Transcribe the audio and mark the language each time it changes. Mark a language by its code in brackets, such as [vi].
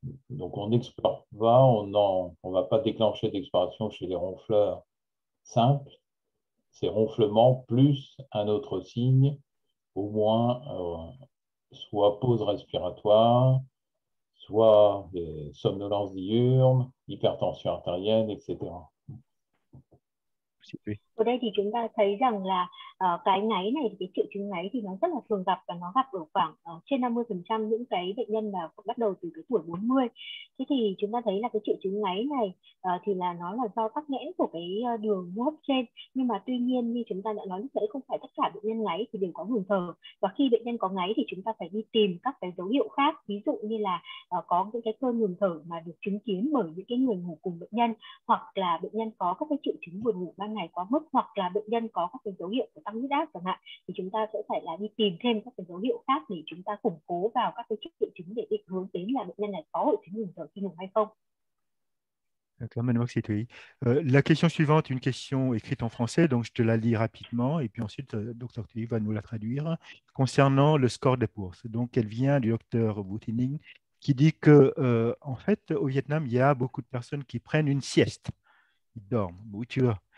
[fr] Donc, on n'explore pas, on va pas déclencher d'exploration chez les ronfleurs simples. C'est ronflement plus un autre signe, au moins soit pause respiratoire, soit somnolence diurne, hypertension artérielle, etc. [vi] Ở đây thì chúng ta thấy rằng là Cái ngáy này, cái triệu chứng ngáy thì nó rất là thường gặp và nó gặp ở khoảng trên 50% những cái bệnh nhân mà bắt đầu từ cái tuổi 40. Thế thì chúng ta thấy là cái triệu chứng ngáy này thì là nó là do tắc nghẽn của cái đường hô hấp trên. Nhưng mà tuy nhiên như chúng ta đã nói lúc nãy, không phải tất cả bệnh nhân ngáy thì đều có ngừng thở. Và khi bệnh nhân có ngáy thì chúng ta phải đi tìm các cái dấu hiệu khác. Ví dụ như là có những cái cơn ngừng thở mà được chứng kiến bởi những cái người ngủ cùng bệnh nhân, hoặc là bệnh nhân có các cái triệu chứng buồn ngủ ban ngày quá mức, hoặc là bệnh nhân có các cái dấu hiệu của tăng huyết áp chẳng hạn, thì chúng ta sẽ phải là đi tìm thêm các cái dấu hiệu khác để chúng ta củng cố vào các cái triệu chứng để định hướng đến là bệnh nhân này có hội chứng ngừng thở khi ngủ hay không. Cảm ơn, [fr] merci [vi] Thuy. [fr] La question suivante est une question écrite en français, donc je te la lis rapidement et puis ensuite le docteur Thuy va nous la traduire concernant le score des bourses. Donc elle vient du docteur Boutining qui dit que en fait au Vietnam il y a beaucoup de personnes qui prennent une sieste, ils dorment, oui, tu vois.